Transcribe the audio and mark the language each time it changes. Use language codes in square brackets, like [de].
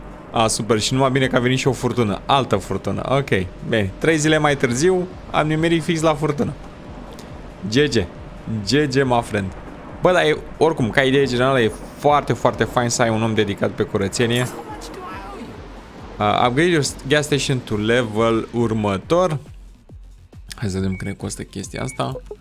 [ro] A, super, și numai bine că a venit și o furtună. Altă furtună, ok. Bine, 3 zile mai târziu am nimerit fix la furtună. GG. [en] GG, my friend. [ro] Bă, dar e, oricum, ca idee generală, e foarte, foarte fain să ai un om dedicat pe curățenie. [en] Upgrade your gas station to level [ro] următor. Hai să vedem când ne costă chestia asta.